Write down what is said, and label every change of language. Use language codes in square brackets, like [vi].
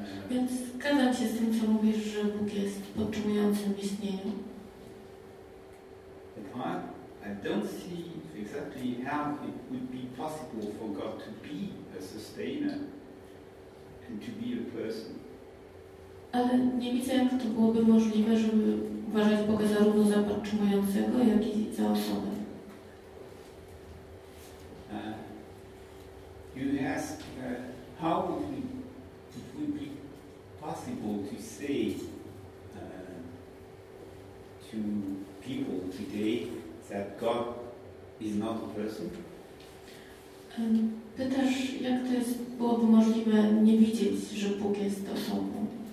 [pl] Więc zgadzam się z tym, co mówisz, że Bóg jest podtrzymującym w istnieniu. [en] But I don't see exactly how it would be possible for God to be a sustainer and to be a person. [pl] Ale nie widzę, jak to byłoby możliwe, żeby uważać Boga zarówno za podtrzymującego, jak i za osobę. [en] You ask how would it be possible to say to people today that God is not a person? [pl] Pytasz, jak to jest, byłoby możliwe nie widzieć, że Bóg jest osobą?